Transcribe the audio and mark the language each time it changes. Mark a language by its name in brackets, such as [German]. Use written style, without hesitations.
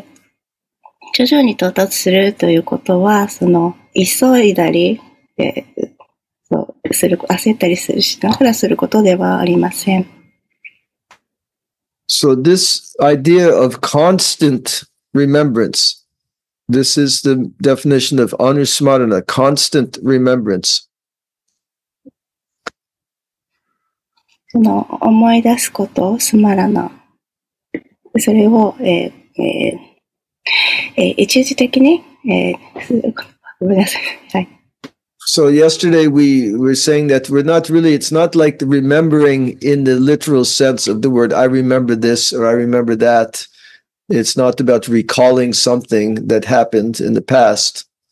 [Japanese] So, 徐々に到達するということは、その急いだり、する焦ったりするしながらすることではありません。 [English] So this idea of constant remembrance, this is the definition of anusmarana, constant remembrance. [Japanese] その思い出すこと、スマラナ、それを、一時的に、ごめんなさい。はい。 [English] So yesterday we were saying that we're not really, it's not like the remembering in the literal sense of the word, I remember this or I remember that. It's not about recalling something that happened in the past.